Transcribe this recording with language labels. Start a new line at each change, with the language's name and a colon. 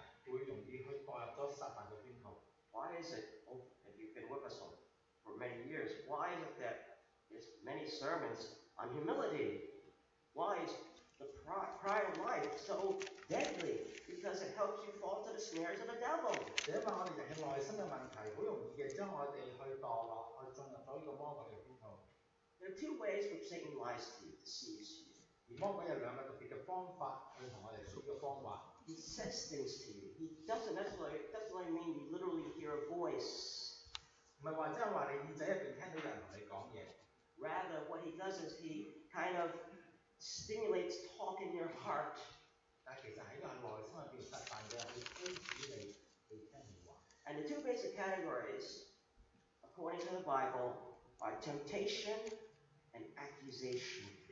Cantonese: 初入教的不可作監督，恐怕他自高自大，就落在魔鬼所受的刑罰裏。就話呢個人會因為自己自高自大，會容易去墮入咗撒旦嘅圈套。
English: Why is it, oh, if you've been with us for many years, why is it that there's many sermons on humility? Why is the prior life so deadly? Because it helps you fall to the snares of the devil.
Cantonese: 因為我哋人嘅內心嘅問題，好容易嘅將我哋去墮落，去進入咗呢個魔鬼嘅圈套。
English: There are two ways which Satan lies to you, deceives you.
Cantonese: 而魔鬼有兩個特別嘅方法去同我哋説嘅方話。
English: He says things to you. He doesn't necessarily mean you literally hear a voice.
Cantonese: 唔係話即係話你耳仔入邊聽到有人同你講嘢。
English: Rather, what he does is he kind of stimulates talk in your heart.
Cantonese: 但其實喺個內心入邊實辦嘅，去推使你去聽話。
English: And the two basic categories, according to the Bible, are temptation and accusation.